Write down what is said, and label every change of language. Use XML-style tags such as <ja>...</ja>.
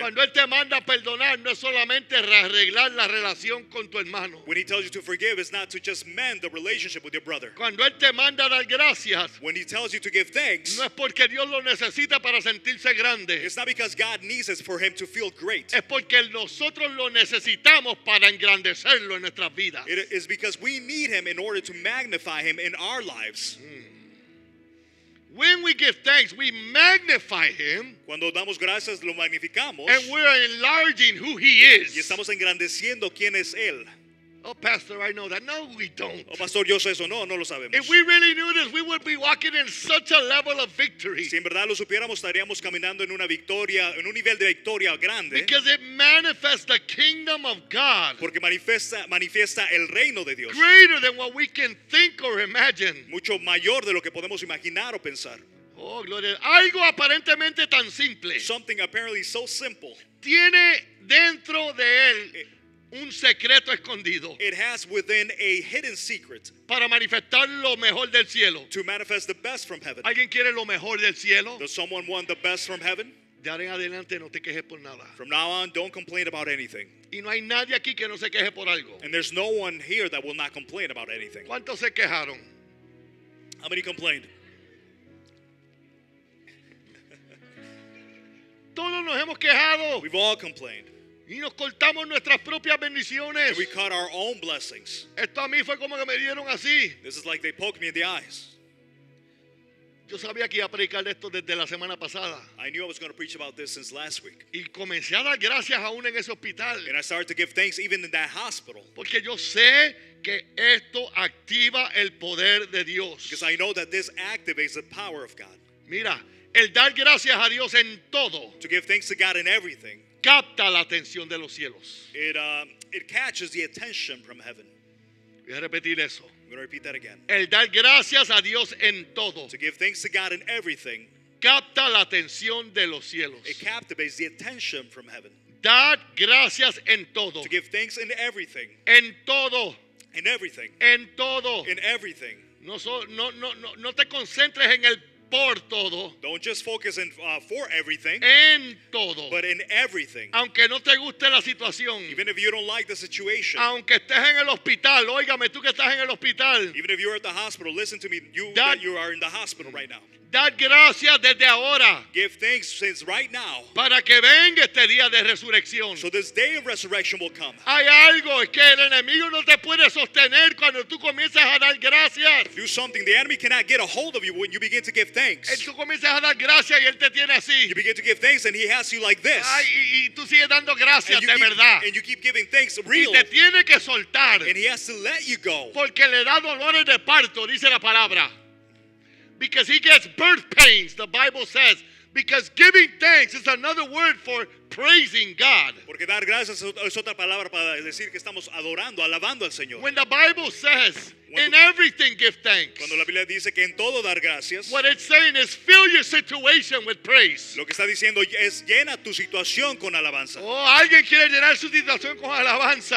<es>Cuando él te manda a perdonar, no es solamente arreglar la relación con tu hermano.</es> <en>When he tells you to forgive, it's not to just mend the relationship with your brother.</en> <es>Cuando él te manda a dar gracias,</es> <en>when he tells you to give thanks,</en> <es>no es porque Dios lo necesita para sentirse grande.</es> <en>It's not because God needs it for him to feel great.</en> <es>Es porque nosotros lo necesitamos para engrandecerlo en nuestras vidas.</es> <en>It is because we need him in order to magnify him in our lives. When we give thanks, we magnify him.</en> <es>Cuando damos gracias, lo magnificamos.</es> <en>And we're enlarging who he is.</en> <es>Y estamos engrandeciendo quién es él.</es> <en>Oh, pastor, I know that. No, we don't.</en> <es>Oh, pastor, yo sé eso. No, no lo sabemos.</es> <en>If we really knew this, we would be walking in such a level of victory.</en> <es>Si en verdad lo supiéramos, estaríamos caminando en una victoria, en un nivel de victoria grande.</es> <en>Because it manifests the kingdom of God.</en> <es>Porque manifiesta el reino de Dios.</es> <en>Greater than what we can think or imagine.</en> <es>Mucho mayor de lo que podemos imaginar o pensar. Oh, gloria. Algo aparentemente tan simple.</es> <en>Something apparently so simple.</en> <es>Tiene dentro de él un secreto escondido.</es> <en>It has within a hidden secret.</en> <es>Para manifestar lo mejor del cielo.</es> <en>To manifest the best from heaven.</en> <es>¿Alguien quiere lo mejor del cielo?</es> <en>Does someone want the best from heaven?</en> <es>De ahora en adelante no te quejes por nada.</es> <en>From now on, don't complain about anything.</en> <es>Y no hay nadie aquí que no se queje por algo.</es> <en>And there's no one here that will not complain about anything.</en> <es>¿Cuántos se quejaron?</es> <en>How many complained?</en> <es>Todos nos hemos quejado.</es> <en>We've all complained.</en> <es>Y nos cortamos nuestras propias bendiciones.</es> <en>And we cut our own blessings.</en> <es>Esto a mí fue como que me dieron así.</es> <en>This is like they poked me in the eyes.</en> <es>Yo sabía que iba a predicar esto desde la semana pasada.</es> <en>I knew I was going to preach about this since last week.</en> <es>Y comencé a dar gracias aún en ese hospital.</es> <en>And I started to give thanks even in that hospital.</en> <es>Porque yo sé que esto activa el poder de Dios.</es> <en>Because I know that this activates the power of God.</en> <es>Mira, el dar gracias a Dios en todo.</es> <en>To give thanks to God in everything.</en> <es>Capta la atención de los cielos.</es> <en>It catches the attention from heaven.</en> <es>Voy a repetir eso.</es> <en>I'm going to repeat that again.</en> <es>El dar gracias a Dios en todo.</es> <en>To give thanks to God in everything.</en> <es>Capta la atención de los cielos.</es> <en>It captivates the attention from heaven.</en> <es>Dar gracias en todo.</es> <en>To give thanks in everything.</en> <es>En todo.</es> <en>In everything.</en> <es>En todo.</es> <en>In everything.</en> <es>No te concentres en el por todo.</es> <en>Don't just focus in, for everything.</en> <es>En todo.</es> <en>But in everything.</en> <es>Aunque no te guste la situación.</es> <en>Even if you don't like the situation.</en> <es>Aunque estés en el hospital. Óigame, tú que estás en el hospital.</es> <en>Even if you're at the hospital, listen to me. You that you are in the hospital right now.</en> <es>dar gracias desde ahora.</es> <en>Give thanks since right now.</en> <es>Para que venga este día de resurrección.</es> <en>So this day of resurrection will come.</en> <es>Hay algo que el enemigo no te puede sostener cuando tú comienzas a dar gracias.</es> <en>Do something. The enemy cannot get a hold of you when you begin to give thanks.</en> <es>Y tú comienzas a dar gracias y él te tiene así.</es> <en>You begin to give thanks and he has you like this.</en> <es>Ay, y tú sigues dando gracias de verdad.</es> <en>And you keep giving thanks real.</en> <es>Y te tiene que soltar.</es> <en>And he has to let you go.</en> <es>Porque le da dolores de parto, dice la palabra.</es> <en>Because he gets birth pains, the Bible says. Because giving thanks is another word for praising God.</en> <es>Porque dar gracias es otra palabra para decir que estamos adorando, alabando al Señor.</es> <en>When the Bible says, in everything give thanks.</en> <es>Cuando la Biblia dice que en todo dar gracias.</es> <en>What it's saying is fill your situation with praise.</en> <es>Lo que está diciendo es llena tu situación con alabanza. Oh, alguien quiere llenar su situación con alabanza.</es>